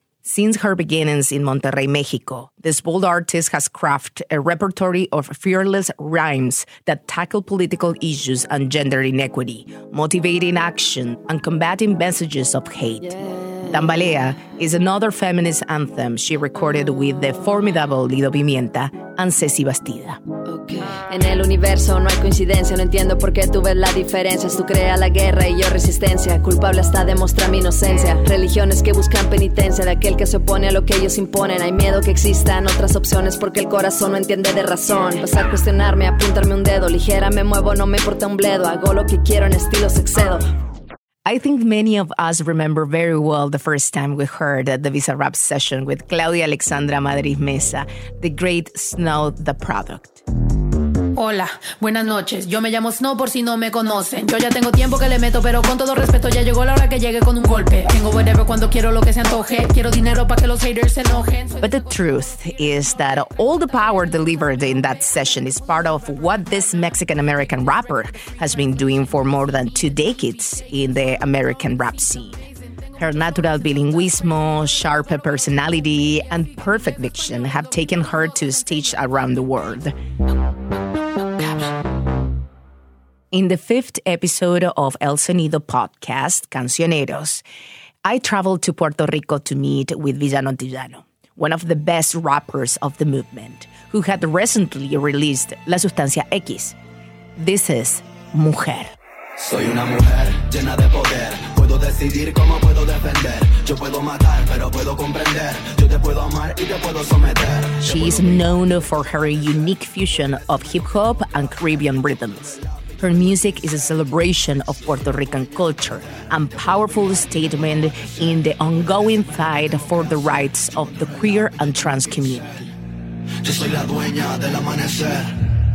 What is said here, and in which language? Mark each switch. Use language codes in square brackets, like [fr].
[en] Since her beginnings in Monterrey, Mexico, this bold artist has crafted a repertory of fearless rhymes that tackle political issues and gender inequity, motivating action and combating messages of hate. Yeah. Tambalea is another feminist anthem she recorded with the formidable Lido Pimienta and Ceci Bastida. [es] En el universo no hay coincidencia, no entiendo por qué tú ves la diferencia. Tú creas la guerra y yo resistencia, culpable hasta demostrar mi inocencia. Religiones que buscan penitencia de aquel que se opone a lo que ellos imponen. Hay miedo que existan otras opciones porque el corazón no entiende de razón. Vas a cuestionarme, apuntarme un dedo, ligera me muevo, no me importa un bledo. Hago lo que quiero en estilo sexedo. [en] I think many of us remember very well the first time we heard at the Bizarrap session with Claudia Alexandra Madrid Mesa, the great Snow the Product. [es] Hola, buenas noches. Yo me llamo Snow por si no me conocen. Yo ya tengo tiempo que le meto, pero con todo respeto ya llegó la hora que llegue con un golpe. Tengo [en] whatever [es] cuando quiero lo que se antoje. Quiero dinero para que los haters se enojen. [en] But the truth is that all the power delivered in that session is part of what this Mexican-American rapper has been doing for more than two decades in the American rap scene. Her natural bilingüismo, sharp personality, and perfect diction have taken her to stage around the world. In the fifth episode of El Sonido podcast, Cancioneros, I traveled to Puerto Rico to meet with Villano Tijano, one of the best rappers of the movement, who had recently released La Sustancia X. This is Mujer. [es] Soy una mujer llena de poder. Puedo decidir cómo puedo defender. Yo puedo matar, pero puedo comprender. Yo te puedo amar y te puedo someter. [en] She is known for her unique fusion of hip-hop and Caribbean rhythms. Her music is a celebration of Puerto Rican culture and powerful statement in the ongoing fight for the rights of the queer and trans community. [es] Yo soy la dueña del amanecer.